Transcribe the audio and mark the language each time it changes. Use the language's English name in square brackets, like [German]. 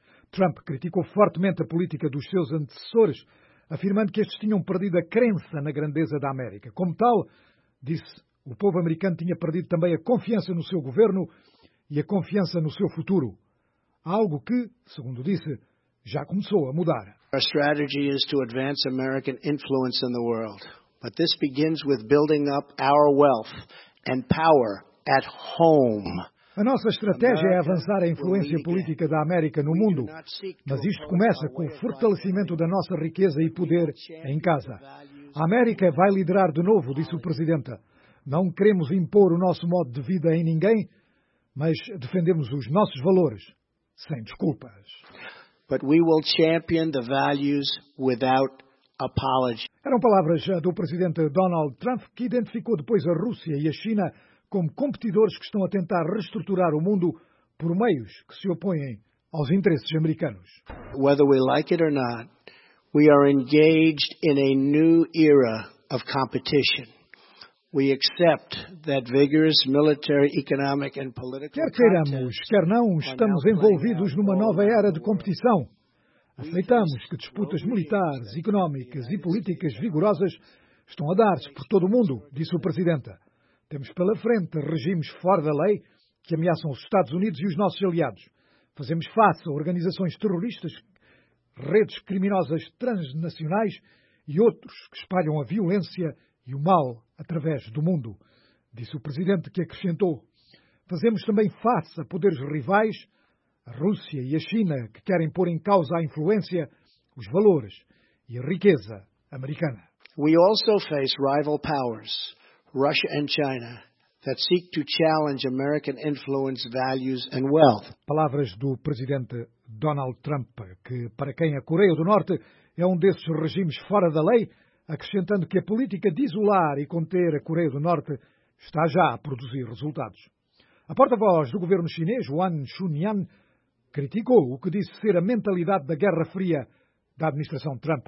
[Portuguese] Trump criticou fortemente a política dos seus antecessores, afirmando que estes tinham perdido a crença na grandeza da América. Como tal, disse, o povo americano tinha perdido também a confiança no seu governo e a confiança no seu futuro. Algo que, segundo disse, já começou a mudar. [English] Our strategy is to advance American influence in the world. But this begins with building up our wealth and power at home. [Portuguese] A nossa estratégia é avançar a influência política da América no mundo, mas isto começa com o fortalecimento da nossa riqueza e poder em casa. A América vai liderar de novo, disse o presidente. Não queremos impor o nosso modo de vida em ninguém, mas defendemos os nossos valores. Sem desculpas. [English] But we will champion the values without apology. [Portuguese] Eram palavras do presidente Donald Trump, que identificou depois a Rússia e a China como competidores que estão a tentar reestruturar o mundo por meios que se opõem aos interesses americanos. [English] Whether we like it or not, we are engaged in a new era of competition. We accept that vigorous military, economic and political. [Portuguese] Quer queiramos, quer não, estamos envolvidos numa nova era de competição. Aceitamos que disputas militares, económicas e políticas vigorosas estão a dar-se por todo o mundo, disse o presidente. Temos pela frente regimes fora da lei que ameaçam os Estados Unidos e os nossos aliados. Fazemos face a organizações terroristas, redes criminosas transnacionais e outros que espalham a violência e o mal através do mundo, disse o presidente, que acrescentou: fazemos também face a poderes rivais, a Rússia e a China, que querem pôr em causa a influência, os valores e a riqueza americana. [English] We also face rival powers, Russia and China, that seek to challenge American influence, values and wealth. [Portuguese] Palavras do presidente Donald Trump, que para quem a Coreia do Norte é um desses regimes fora da lei, acrescentando que a política de isolar e conter a Coreia do Norte está já a produzir resultados. A porta-voz do governo chinês, Wang Chunyan, criticou o que disse ser a mentalidade da Guerra Fria da administração Trump.